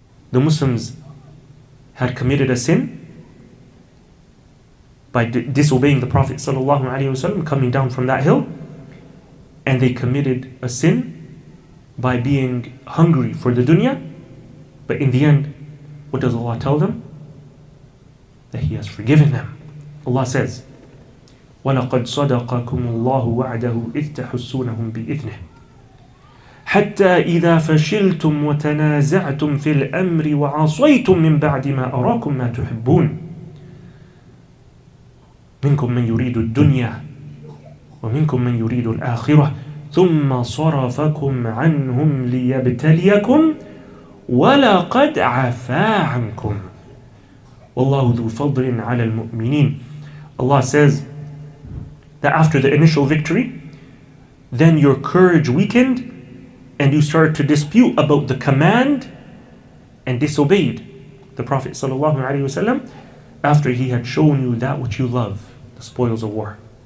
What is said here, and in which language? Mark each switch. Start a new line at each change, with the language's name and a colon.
English: The Muslims had committed a sin by disobeying the Prophet sallallahu alaihi wasallam, coming down from that hill, and they committed a sin by being hungry for the dunya. But in the end, what does Allah tell them? That He has forgiven them. Allah says,
Arabic: وَلَقَدْ صَدَقَكُمُ اللَّهُ وَعْدَهُ إِذْ تَحُسُّونَهُمْ بِإِذْنِهِ حَتَّى إِذَا فَشِلْتُمْ وَتَنَازَعْتُمْ فِي الْأَمْرِ وَعَصَيْتُمْ مِنْ بَعْدِ مَا أَرَاكُمْ مَا تُحِبُّونَ منكم من يريد الدنيا ومنكم من يريد الآخرة ثم صرفكم عنهم ليبتليكم ولقد عفا عنكم والله ذو فضل على المؤمنين.
English: Allah says that after the initial victory, then your courage weakened and you started to dispute about the command and disobeyed the Prophet sallallahu alaihi wasallam after he had shown you that which you love, the spoils of war.